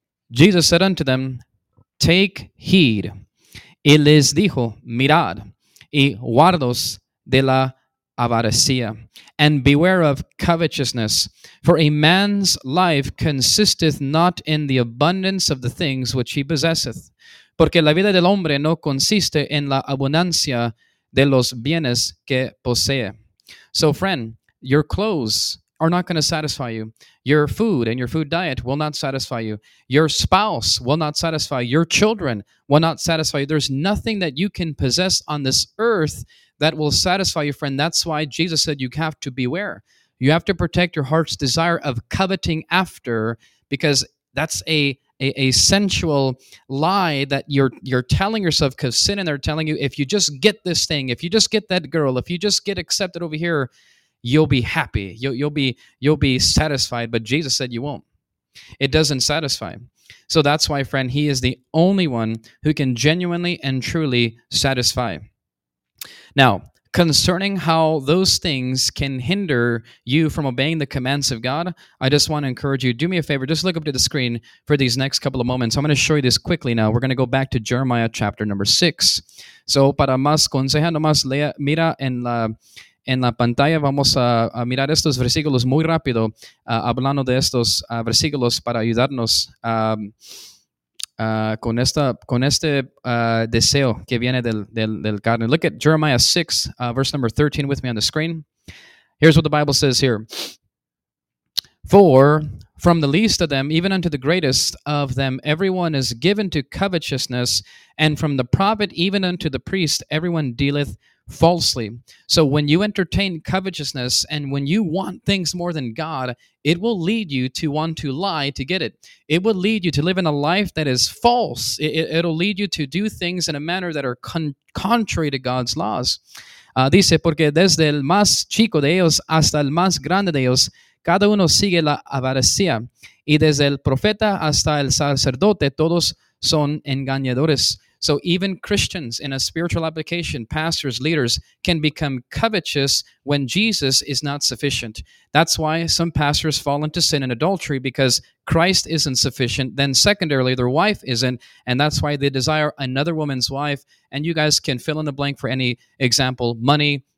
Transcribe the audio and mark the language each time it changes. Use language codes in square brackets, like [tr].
[en] Jesus said unto them, take heed. [es] Y les dijo, mirad y guardaos de la avaricia, [en] and beware of covetousness, for a man's life consisteth not in the abundance of the things which he possesseth. [es] Porque la vida del hombre no consiste en la abundancia de los bienes que posee. [en] So friend, your clothes are not going to satisfy you. Your food and your food diet will not satisfy you. Your spouse will not satisfy you. Your children will not satisfy you. There's nothing that you can possess on this earth that will satisfy you, friend. That's why Jesus said you have to beware. You have to protect your heart's desire of coveting after, because that's a sensual lie that you're telling yourself, because sin in there telling you, if you just get this thing, if you just get that girl, if you just get accepted over here, you'll be happy. You'll be satisfied. But Jesus said you won't. It doesn't satisfy. So that's why, friend, he is the only one who can genuinely and truly satisfy. Now, concerning how those things can hinder you from obeying the commands of God, I just want to encourage you, do me a favor, just look up to the screen for these next couple of moments. I'm going to show you this quickly now. We're going to go back to Jeremiah chapter number 6. [es] So, para más consejos, nomás lea, mira en la pantalla, vamos a mirar estos versículos muy rápido, hablando de estos versículos para ayudarnos deseo que viene del carne. [en] Look at Jeremiah 6, verse number 13 with me on the screen. Here's what the Bible says here. For from the least of them, even unto the greatest of them, everyone is given to covetousness, and from the prophet even unto the priest, everyone dealeth falsely. So when you entertain covetousness and when you want things more than God, it will lead you to want to lie to get it. It will lead you to live in a life that is false. It'll lead you to do things in a manner that are contrary to God's laws. [es] Dice, porque desde el más chico de ellos hasta el más grande de ellos, cada uno sigue la avaricia. Y desde el profeta hasta el sacerdote, todos son engañadores. [en] So even Christians in a spiritual application, pastors, leaders, can become covetous when Jesus is not sufficient. That's why some pastors fall into sin and adultery, because Christ isn't sufficient. Then secondarily, their wife isn't, and that's why they desire another woman's wife. And you guys can fill in the blank for any example, money,